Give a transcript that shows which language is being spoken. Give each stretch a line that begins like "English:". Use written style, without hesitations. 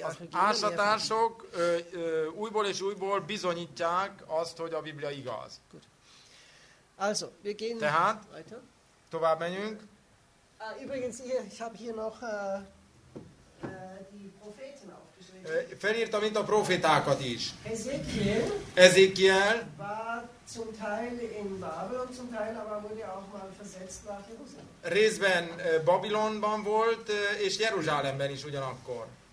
Hungarian: Ásatások újból és újból bizonyítják azt, hogy a Biblia igaz.
German: Also, wir gehen
Hungarian: tehát, tovább menjünk.
German: Übrigens, ich habe hier noch die Propheten auf.
Hungarian: Felírtam, mint a profétákat is.
German: Ezekiel war zum Teil in Babylon, zum Teil aber wurde auch mal versetzt nach Jerusalem.
Hungarian: Részben Babilonban volt, és Jeruzsálemben is ugyanakkor.